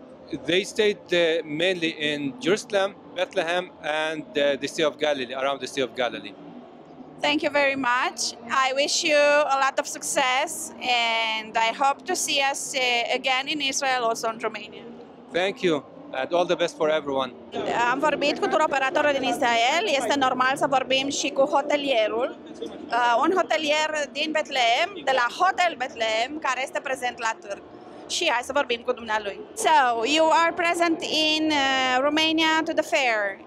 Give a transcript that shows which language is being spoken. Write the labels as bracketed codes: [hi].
[en] They stayed mainly in Jerusalem, Bethlehem, and the Sea of Galilee, around the Sea of Galilee. Thank you very much. I wish you a lot of success, and I hope to see us again in Israel, also in Romania. Thank you. And all the best for everyone. [ro] Am vorbit cu turoperatorul din Israel, este normal să vorbim și cu hotelierul. Un hotelier din Betlehem, de la Hotel Betlehem, care este prezent la târg. și hai să vorbim cu dumnealui. [en] So, you are present in Romania to the fair.